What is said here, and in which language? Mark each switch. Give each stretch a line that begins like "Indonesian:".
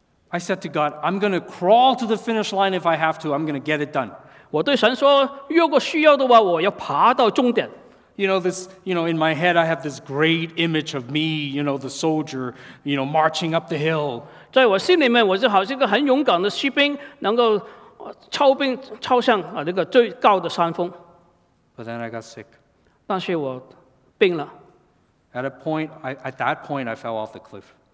English: I said to God, I'm going to crawl to the finish line if I have to. I'm going to get it done.
Chinese: 我对神说，如果需要的话，我要爬到终点。
English: You know this. You know, in my head, I have this great image of me. You know, the soldier. You know, marching up the hill.
Chinese: 在我心里面，我就好像一个很勇敢的士兵，能够超兵超向啊那个最高的山峰。
English: But then I got sick.
Chinese: 但是我病了。
English: At that point, I fell off the cliff.